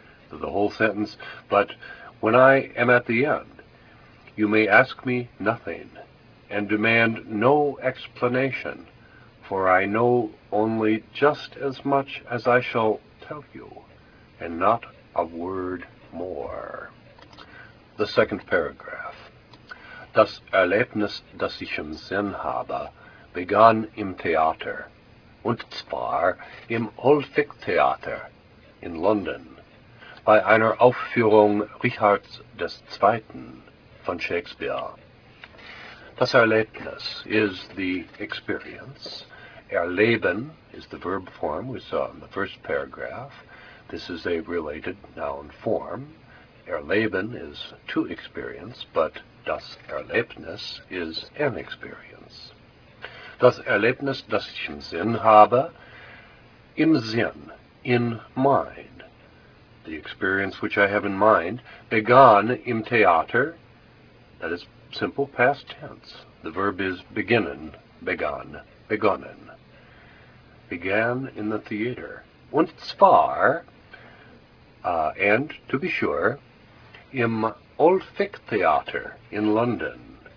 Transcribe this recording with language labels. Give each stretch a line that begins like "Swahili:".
English: So the whole sentence, but when I am at the end, you may ask me nothing, and demand no explanation, for I know only just as much as I shall tell you, and not a word more. The second paragraph.
German: Das Erlebnis, das ich im Sinn habe, begann im Theater, und zwar im Ulfic Theater in London, bei einer Aufführung Richards des Zweiten von Shakespeare.
English: Das Erlebnis is the experience. Erleben is the verb form we saw in the first paragraph. This is a related noun form. Erleben is to experience, but das Erlebnis is an experience.
German: Das Erlebnis, das ich im Sinn habe, im Sinn,
English: in mind. The experience which I have in mind,
German: begann im Theater,
English: that is simple past tense. The verb is beginnen, begann, begonnen. Began in the theater.
German: Und zwar,
English: and to be sure,
German: im Ulfic Theater in London.